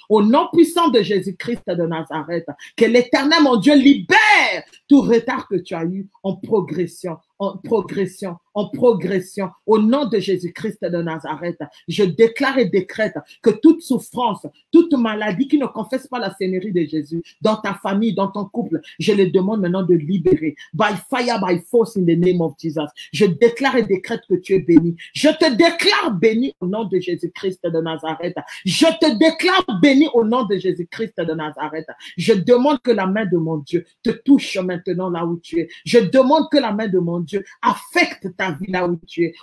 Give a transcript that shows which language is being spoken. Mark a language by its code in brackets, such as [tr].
[fr] Au nom puissant de Jésus-Christ de Nazareth, que l'éternel, mon Dieu, libère tout retard que tu as eu en progression, en progression, en progression. Au nom de Jésus-Christ de Nazareth, je déclare et décrète que toute souffrance, toute maladie qui ne confesse pas la Seigneurie de Jésus dans ta famille, dans ton couple, je les demande maintenant de libérer. [en] By fire, by force, in the name of Jesus. [fr] Je déclare et décrète que tu es béni. Je te déclare béni au nom de Jésus-Christ de Nazareth. Je te déclare béni au nom de Jésus-Christ de Nazareth. Je demande que la main de mon Dieu te touche maintenant là où tu es. Je demande que la main de mon Dieu affecte ta vie là où tu es.